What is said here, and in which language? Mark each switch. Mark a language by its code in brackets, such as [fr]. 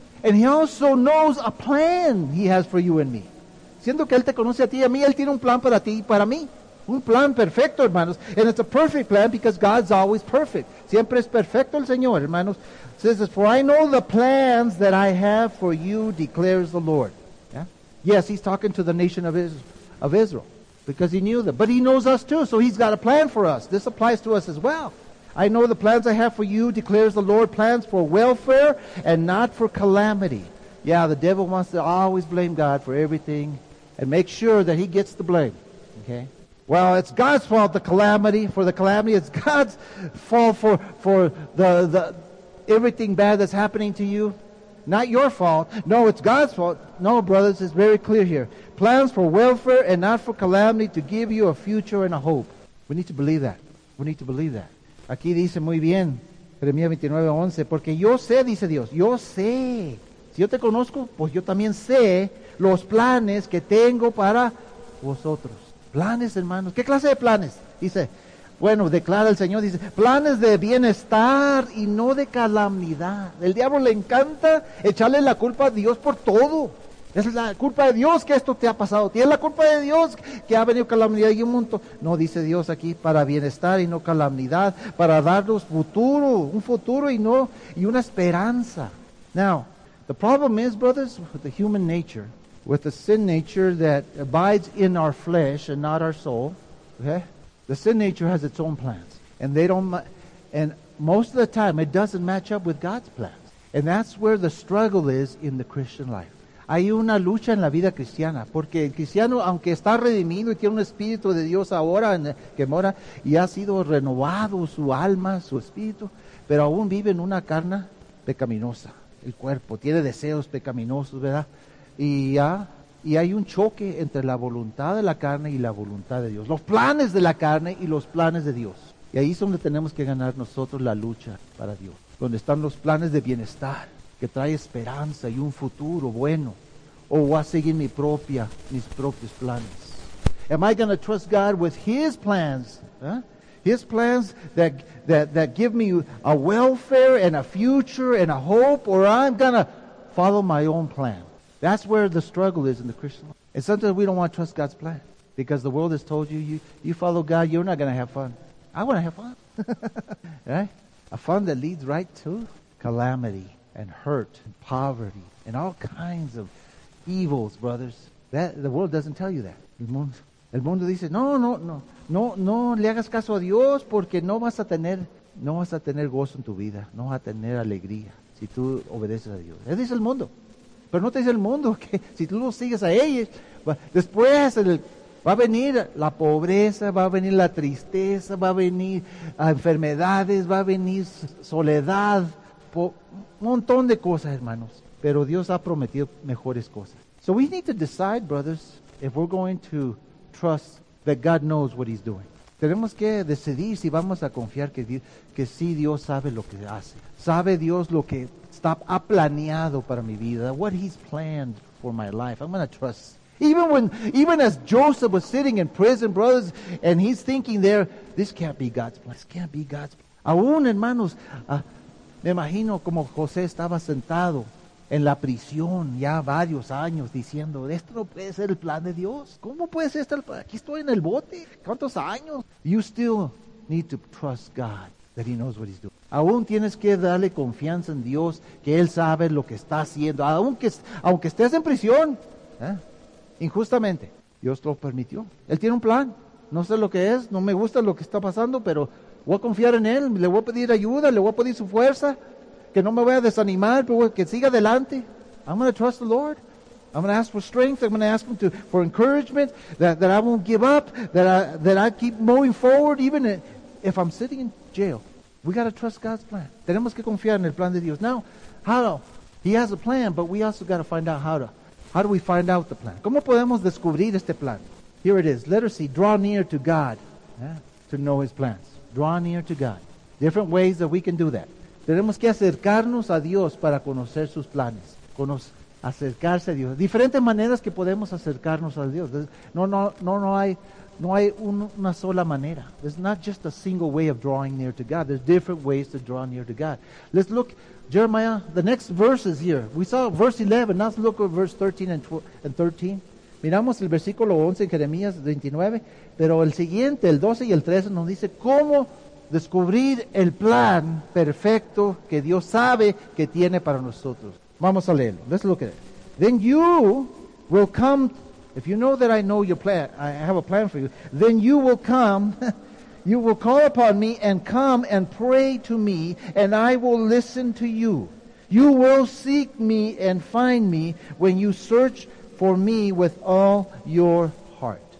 [en] And He also knows a plan He has for you and me. [es] Siendo que Él te conoce a ti y a mí, Él tiene un plan para ti y para mí. Un plan perfecto, hermanos. [en] And it's a perfect plan because God's always perfect. [es] Siempre es perfecto el Señor, hermanos. [en] Says this, for I know the plans that I have for you, declares the Lord. Yeah? Yes, He's talking to the nation of Israel because He knew them. But He knows us too, so He's got a plan for us. This applies to us as well. I know the plans I have for you, declares the Lord, plans for welfare and not for calamity. Yeah, the devil wants to always blame God for everything and make sure that he gets the blame. Okay? Well, it's God's fault, the calamity. It's God's fault for the everything bad that's happening to you. Not your fault. No, it's God's fault. No, brothers, it's very clear here. Plans for welfare and not for calamity to give you a future and a hope. We need to believe that. [es] Aquí dice muy bien, Jeremías 29:11, porque yo sé, dice Dios, yo sé. Si yo te conozco, pues yo también sé los planes que tengo para vosotros. Planes, hermanos. ¿Qué clase de planes? Dice, bueno, declara el Señor, dice, planes de bienestar y no de calamidad. El diablo le encanta echarle la culpa a Dios por todo. Es la culpa de Dios que esto te ha pasado. Tiene la culpa de Dios que ha venido calamidad y un montón. No, dice Dios aquí, para bienestar y no calamidad. Para darnos futuro, un futuro y no, y una esperanza. [en] Now, the problem is, brothers, with the human nature, with the sin nature that abides in our flesh and not our soul, okay? The sin nature has its own plans. And they don't, and most of the time, it doesn't match up with God's plans. And that's where the struggle is in the Christian life. [es] Hay una lucha en la vida cristiana, porque el cristiano, aunque está redimido y tiene un espíritu de Dios ahora que mora, y ha sido renovado su alma, su espíritu, pero aún vive en una carne pecaminosa, el cuerpo, tiene deseos pecaminosos, ¿verdad? Y hay un choque entre la voluntad de la carne y la voluntad de Dios, los planes de la carne y los planes de Dios. Y ahí es donde tenemos que ganar nosotros la lucha para Dios, donde están los planes de bienestar, que trae esperanza y un futuro bueno, o voy a seguir mis propios planes. [en] Am I going to trust God with His plans? Huh? His plans that give me a welfare and a future and a hope, or I'm going to follow my own plan? That's where the struggle is in the Christian life. And sometimes we don't want to trust God's plan because the world has told you, you follow God, you're not going to have fun. I want to have fun. Right? A fun that leads right to calamity. and hurt and poverty and all kinds of evils, brothers. The world doesn't tell you that. [es] El mundo dice, no le hagas caso a Dios porque no vas a tener gozo en tu vida, no vas a tener alegría si tú obedeces a Dios. Eso dice el mundo. Pero no te dice el mundo que si tú no sigues a ellos, después va a venir la pobreza, va a venir la tristeza, va a venir enfermedades, va a venir soledad, un montón de cosas, hermanos. Pero Dios ha prometido mejores cosas. [en] So we need to decide, brothers, if we're going to trust that God knows what he's doing. [es] Tenemos que decidir si vamos a confiar que sí, Dios sabe lo que hace. Sabe Dios lo que está planeado para mi vida. [en] What he's planned for my life. I'm going to trust. Even as Joseph was sitting in prison, brothers, and he's thinking there, this can't be God's plan. This can't be God's plan. [es] Aún, hermanos, me imagino como José estaba sentado en la prisión ya varios años diciendo, esto no puede ser el plan de Dios. ¿Cómo puede ser esto? Aquí estoy en el bote. ¿Cuántos años? [en] You still need to trust God that he knows what he's doing. [es] Aún tienes que darle confianza en Dios que él sabe lo que está haciendo. Aunque estés en prisión, injustamente, Dios lo permitió. Él tiene un plan. No sé lo que es, no me gusta lo que está pasando, pero voy a confiar en él, le voy a pedir ayuda, le voy a pedir su fuerza, que no me voy a desanimar, pero que siga adelante. [en] I'm going to trust the Lord. I'm going to ask for strength. I'm going to ask him for encouragement, that I won't give up, that I keep moving forward, even if I'm sitting in jail. We got to trust God's plan. [es] Tenemos que confiar en el plan de Dios. [en] Now, he has a plan, but we also got to find out how do we find out the plan? [es] ¿Cómo podemos descubrir este plan? [en] Here it is. Letter C, draw near to God to know his plans. Draw near to God. Different ways that we can do that. [es] Tenemos que acercarnos a Dios para conocer sus planes. Acercarse a Dios. Diferentes maneras que podemos acercarnos a Dios. No hay una sola manera. [en] There's not just a single way of drawing near to God. There's different ways to draw near to God. Let's look, Jeremiah, the next verse is here. We saw verse 11. Now let's look at verse 13. [es] Miramos el versículo 11 en Jeremías 29. Pero el siguiente, el 12 y el 13, nos dice cómo descubrir el plan perfecto que Dios sabe que tiene para nosotros. Vamos a leerlo. [en] Let's look at it. Then you will come. If you know that I know your plan, I have a plan for you. Then you will come. You will call upon me and come and pray to me, and I will listen to you. You will seek me and find me when you search for me with all your heart.